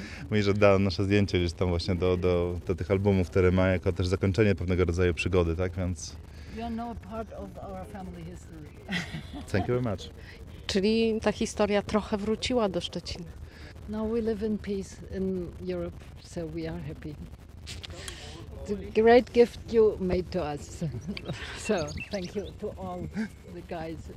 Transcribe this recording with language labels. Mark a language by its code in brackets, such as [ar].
[pl] Mówi, że da nasze zdjęcie gdzieś tam właśnie do tych albumów, które ma jako też zakończenie pewnego rodzaju przygody, tak? Więc. [en] You are now a part of our family history. Thank you very much. [pl] Czyli ta historia trochę wróciła do Szczecina. [en] Now we live in peace in Europe, so we are happy. The great gift you made to us. So, thank you to all the guys.